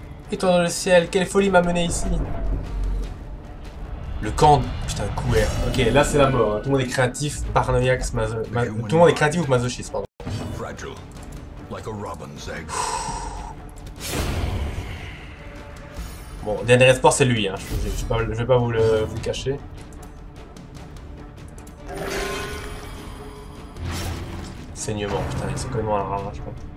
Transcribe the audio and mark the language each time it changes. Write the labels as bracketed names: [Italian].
[French] Étoile dans le ciel, quelle folie m'a mené ici! Le camp... Putain, couvert. Ok, là c'est la mort. Hein. Tout le monde est créatif, paranoïaque, tout le monde est créatif ou masochiste, pardon. [English] Fragile, like a robin's egg. [French] Bon, dernier espoir, c'est lui. Hein. Je vais pas vous le cacher. Saignement, putain, il s'est quand même à la rage, je crois.